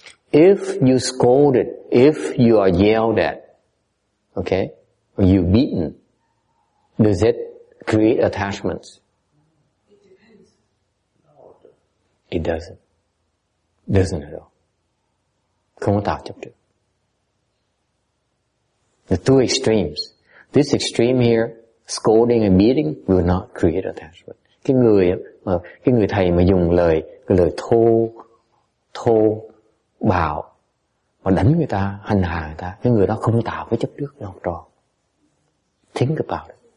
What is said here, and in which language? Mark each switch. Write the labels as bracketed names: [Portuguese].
[English] If you scolded, if you are yelled at, okay, or you beaten, does it create attachments? It doesn't. Doesn't at all. [Vietnamese] Không có tạo chấp trước. [English] The two extremes. This extreme here, scolding and beating, will not create attachment. [Vietnamese] Cái người thầy mà dùng lời cái lời thô, thô, bạo mà đánh người ta, hành hạ người ta, cái người đó không tạo cái chấp trước cho học trò. [English] Think about it.